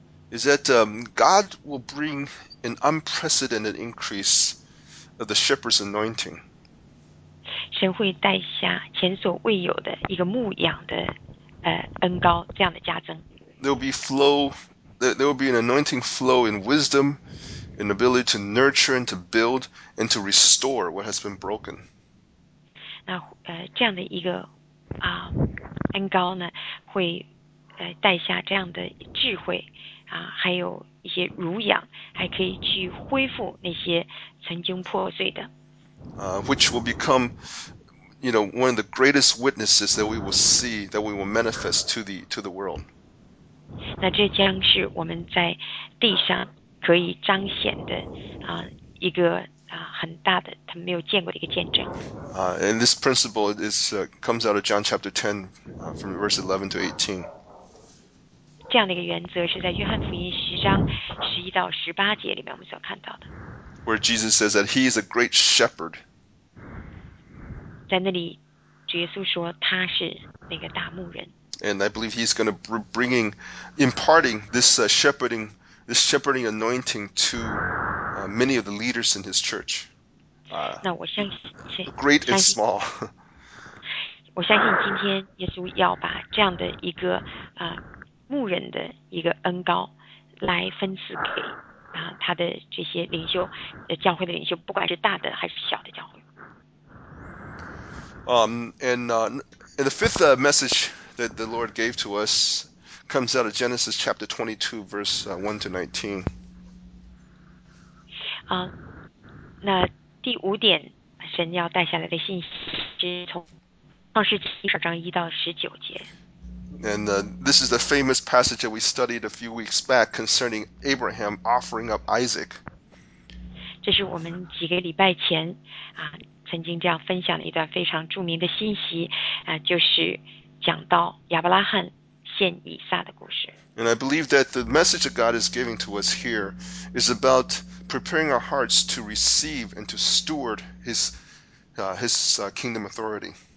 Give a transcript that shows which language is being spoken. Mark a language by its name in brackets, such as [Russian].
[English] Is that God will bring an unprecedented increase of the shepherd's anointing. [Chinese] 神会带下前所未有的一个牧养的恩膏，这样的加增。 [English] There will be an anointing flow in wisdom, in ability to nurture and to build and to restore what has been broken. [Chinese] 那这样的一个恩膏呢，会带下这样的智慧。还有一些乳养，还可以去恢复那些曾经破碎的。 [English] Which will become, you know, one of the greatest witnesses that we will see, that we will manifest to the world. [Chinese] 那这将是我们在地上可以彰显的一个很大的他们没有见过的一个见证。 [English] And this principle is comes out of John chapter 10, from verse 11 to 18. [Chinese] 这样的一个原则是在约翰福音十章十一到十八节里面我们所看到的。 [English] Where Jesus says that he is a great shepherd. [Chinese] 在那里主耶稣说他是那个大牧人。 [English] And I believe he's going to imparting this shepherding anointing to many of the leaders in his church. [Chinese] 那我相信 [English] great and small. [Chinese] 我相信今天耶稣要把这样的一个牧人的一个恩膏来分赐给他的这些领袖教会的领袖，不管是大的还是小的教会。 [English] And the fifth message that the Lord gave to us comes out of Genesis chapter 22 verse 1 to 19. [Chinese] 那第五点神要带下来的信息是从创世纪十二章一到十九节。 [English] And this is the famous passage that we studied a few weeks back concerning Abraham offering up Isaac. [Chinese] 这是我们几个礼拜前曾经这样分享的一段非常著名的信息就是讲到亚伯拉罕献以撒的故事。 [English] And I believe that the message that God is giving to us here is about preparing our hearts to receive and to steward his kingdom authority.